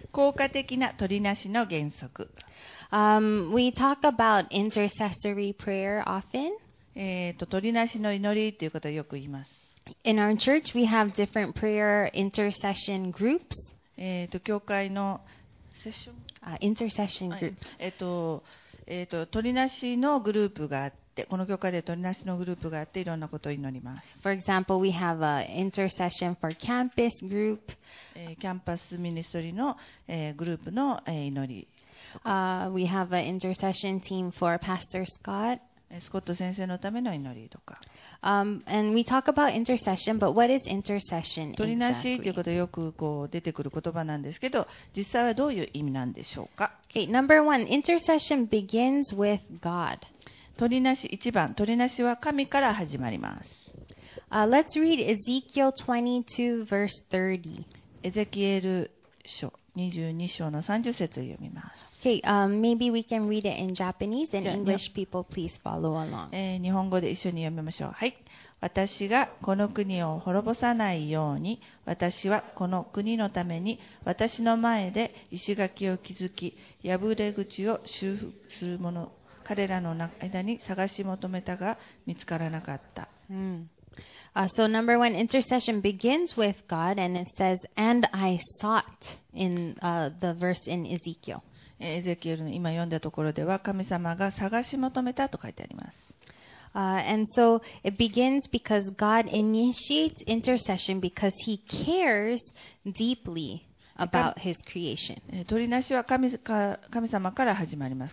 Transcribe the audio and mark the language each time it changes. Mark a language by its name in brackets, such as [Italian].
[Japanese] 効果的な取りなしの原則。 [English] We talk about intercessory prayer often. [Japanese] 取りなしの祈りということをよく言います。 [English] In our church, we have different prayer intercession groups. [Japanese] 教会のセッション、あ、インターセッショングループ、取りなしのグループがあって、この教会で取りなしのグループがあって、いろんなことを祈ります。 [English] For example, we have an intercession for campus group、 [Japanese] キャンパスミニストリーの、グループの、祈り、 [English] We have an intercession team for Pastor Scott、 [Japanese] スコット先生のための祈りとか、 [English] And we talk about intercession, but what is intercession exactly? [Japanese] 取りなしということよくこう出てくる言葉なんですけど、実際はどういう意味なんでしょうか。 [English] Okay, number one, intercession begins with God. [Japanese] 取りなし、一番、取りなしは神から始まります。 [English] Let's read Ezekiel 22 verse 30. [Japanese] エゼキエル書22章の30節を読みます。 [English] Okay, maybe we can read it in Japanese and English people, please follow along. [Japanese] 日本語で一緒に読みましょう。はい。私がこの国を滅ぼさないように、私はこの国のために私の前で石垣を築き、破れ口を修復する者、彼らの間に探し求めたが見つからなかった。 [English] So number one, intercession begins with God and it says, and I sought in the verse in Ezekiel. [Japanese] エゼキエルの今読んだところでは神様が探し求めたと書いてあります。 [English] And so it begins because God initiates intercession because he cares deeply about his creation. [Japanese] 取りなしは神様から始まります。